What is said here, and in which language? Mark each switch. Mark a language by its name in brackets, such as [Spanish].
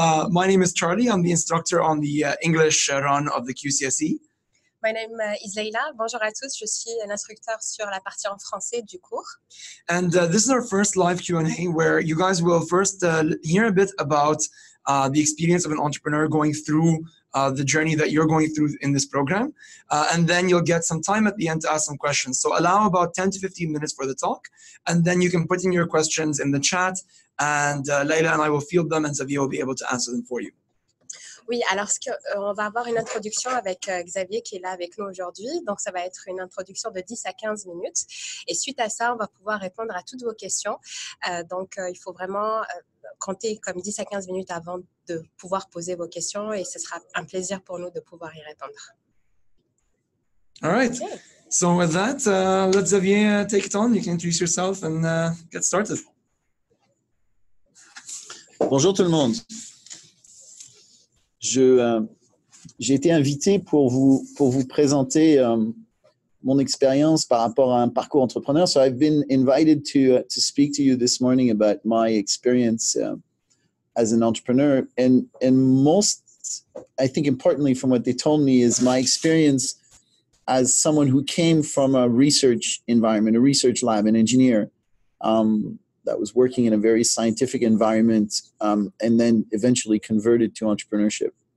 [English] My name is Charlie. I'm the instructor on the English run of the QCSE. My name is Leila. [French] Bonjour à tous. Je suis l'instructeur sur la partie en français du cours. [English] And this is our first live Q&A where you guys will first hear a bit about the experience of an entrepreneur going through the journey that you're going through in this program. And then you'll get some time at the end to ask some questions. So allow about 10 to 15 minutes for the talk. And then you can put in your questions in the chat. And Leila and I will field them and Xavier will be able to answer them for you. [French] Oui, alors on va avoir une introduction avec Xavier qui est là avec nous aujourd'hui. Donc ça va être une introduction de 10 à 15 minutes. Et suite à ça, on va pouvoir répondre à toutes vos questions. Il faut vraiment compter comme 10 à 15 minutes avant de pouvoir poser vos questions et ce sera un plaisir pour nous de pouvoir y répondre. [English] All right. Okay. So with that, let Xavier take it on. You can introduce yourself and get started. [French] Bonjour tout le monde. J'ai été invité pour vous présenter mon expérience par rapport à un parcours entrepreneur. [English] So I've been invited to speak to you this morning about my experience as an entrepreneur. And most, I think importantly from what they told me, is my experience as someone who came from a research environment, a research lab, an engineer that was working in a very scientific environment and then eventually converted to entrepreneurship.